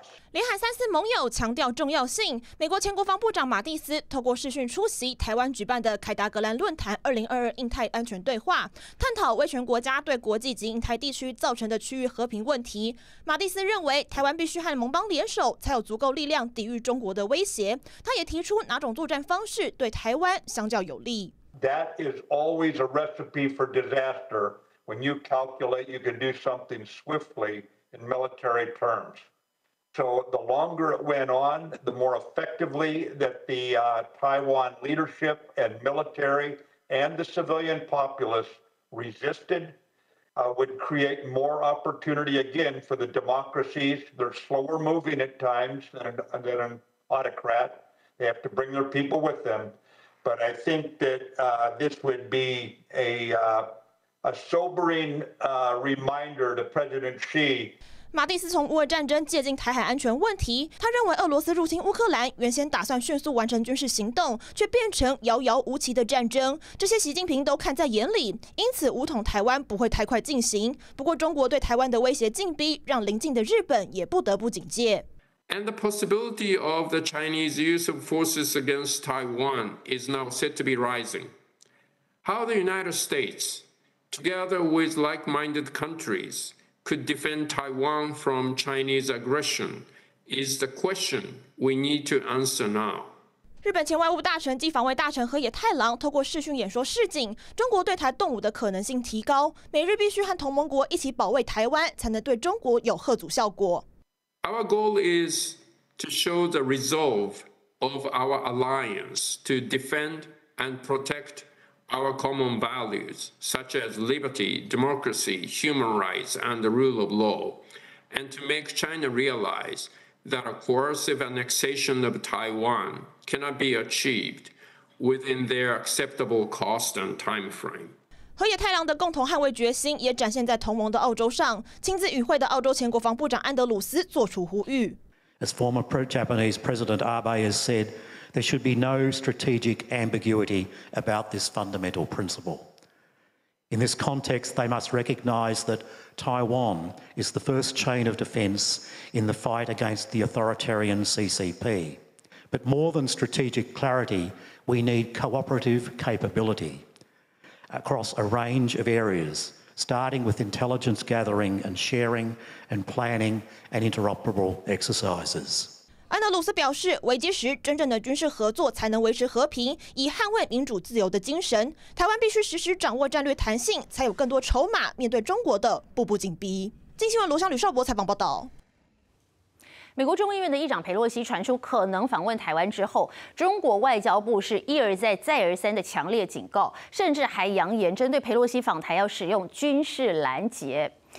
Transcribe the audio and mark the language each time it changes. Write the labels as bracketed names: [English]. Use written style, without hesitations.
[Chinese] 联韩3次盟友强调重要性。美国前国防部长马蒂斯透过视讯出席台湾举办的凯达格兰论坛2022印太安全对话，探讨威权国家对国际及印太地区造成的区域和平问题。马蒂斯认为，台湾必须和盟邦联手，才有足够力量抵御中国的威胁。他也提出哪种作战方式对台湾相较有利。 [English] That is always a recipe for disaster when you calculate you can do something swiftly. In military terms. So the longer it went on, the more effectively that the Taiwan leadership and military and the civilian populace resisted, would create more opportunity again for the democracies. They're slower moving at times than an autocrat. They have to bring their people with them. But I think that this would be a sobering reminder to President Xi. [Chinese] 马蒂斯从乌俄战争借镜台海安全问题，他认为俄罗斯入侵乌克兰原先打算迅速完成军事行动，却变成遥遥无期的战争，这些习近平都看在眼里，因此武统台湾不会太快进行。不过中国对台湾的威胁进逼，让邻近的日本也不得不警戒。 [English] And the possibility of the Chinese use of forces against Taiwan is now said to be rising. How the United States, together with like-minded countries,could defend Taiwan from Chinese aggression is the question we need to answer now. [Chinese] 日本前外务大臣暨防卫大臣河野太郎透过视讯演说示警，中国对台动武的可能性提高，美日必须和同盟国一起保卫台湾，才能对中国有吓阻效果。 [English] Our goal is to show the resolve of our alliance to defend and protect. Our common values, such as liberty, democracy, human rights, and the rule of law, and to make China realize that a coercive annexation of Taiwan cannot be achieved within their acceptable cost and time frame. [Chinese] 河野太郎的共同捍卫决心也展现在同盟的澳洲上，亲自与会的澳洲前国防部长安德鲁斯做出呼吁。 [English] As former pro-Japanese President Abe has said, there should be no strategic ambiguity about this fundamental principle. In this context, they must recognize that Taiwan is the first chain of defense in the fight against the authoritarian CCP. But more than strategic clarity, we need cooperative capability across a range of areas, starting with intelligence gathering and sharing and planning and interoperable exercises. [Chinese] 安德鲁斯表示，危机时真正的军事合作才能维持和平，以捍卫民主自由的精神。台湾必须时时掌握战略弹性，才有更多筹码面对中国的步步紧逼。经新闻罗湘吕绍博采访报道。美国众议院的议长佩洛西传出可能访问台湾之后，中国外交部是一而再、再而三的强烈警告，甚至还扬言针对佩洛西访台要使用军事拦截。